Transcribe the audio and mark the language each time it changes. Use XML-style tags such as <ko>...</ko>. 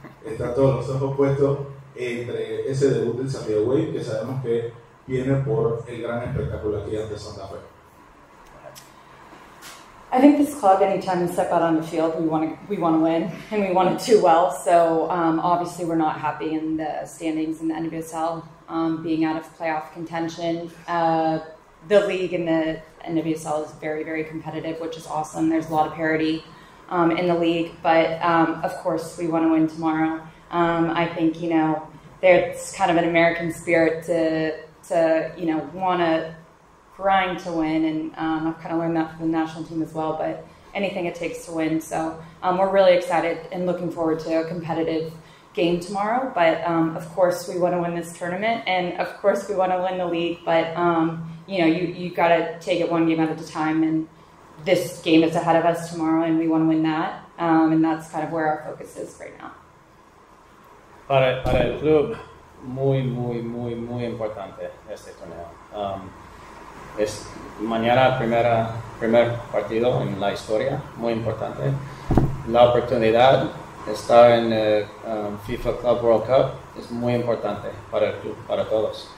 <es>Están todos los ojos puestos entre ese debut del San Diego Wave, que sabemos que viene por el gran espectáculo aquí ante Santa Fe.</es> <en>I think this club, anytime we step out on the field, we want to win and we want to do well. So obviously we're not happy in the standings in the NWSL, being out of playoff contention. The league in the NWSL is very, very competitive, which is awesome. There's a lot of parity in the league, but of course we want to win tomorrow. I think, you know, there's kind of an American spirit to you know, want to grind to win, and I've kind of learned that from the national team as well, but anything it takes to win. So we're really excited and looking forward to a competitive game tomorrow, but of course we want to win this tournament, and of course we want to win the league, but you know, you got to take it one game at a time, and this game is ahead of us tomorrow, and we want to win that, and that's kind of where our focus is right now.</en> <es>Para el club, muy, muy, muy, muy importante este torneo. Es mañana primer partido en la historia, muy importante. La oportunidad de estar en FIFA Club World Cup es muy importante para el club, para todos.</es>